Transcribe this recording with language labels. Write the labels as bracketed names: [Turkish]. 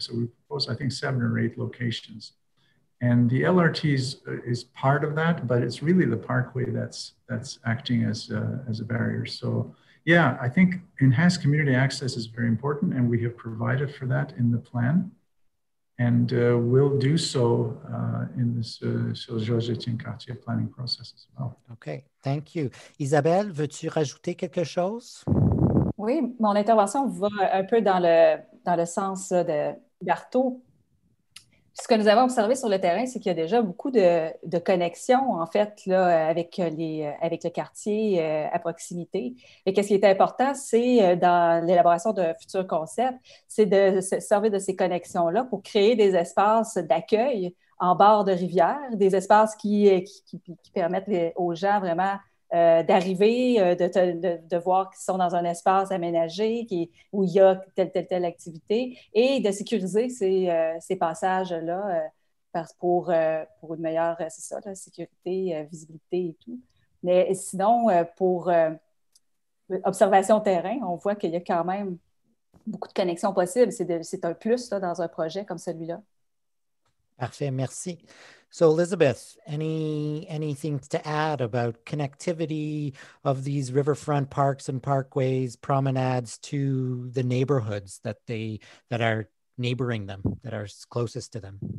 [English] So we proposed, I think, 7 or 8 locations. And the LRT is part of that, but it's really the parkway that's acting as a barrier. So yeah, I think enhanced community access is very important, and we have provided for that in the plan. And we'll do so in this Georges Etienne-Cartier planning process as well. Okay, thank you. [French] Isabelle, veux-tu rajouter quelque chose? Oui, mon intervention va un peu dans le sens de Berthaud. Ce que nous avons observé sur le terrain, c'est qu'il y a déjà beaucoup de connexions, en fait, là, avec le quartier à proximité. Et qu'est-ce qui est important, c'est dans l'élaboration d'un futur concept, c'est de se servir de ces connexions-là pour créer des espaces d'accueil en bord de rivière, des espaces qui permettent aux gens vraiment d'arriver, de voir qu'ils sont dans un espace aménagé où il y a telle activité et de sécuriser ces passages-là pour une meilleure sécurité, visibilité et tout. Mais sinon, pour observation terrain, on voit qu'il y a quand même beaucoup de connexions possibles. C'est un plus là, dans un projet comme celui-là. Parfait, merci. [English] So Elizabeth, anything to add about connectivity of these riverfront parks and parkways, promenades to the neighborhoods that are neighboring them, that are closest to them?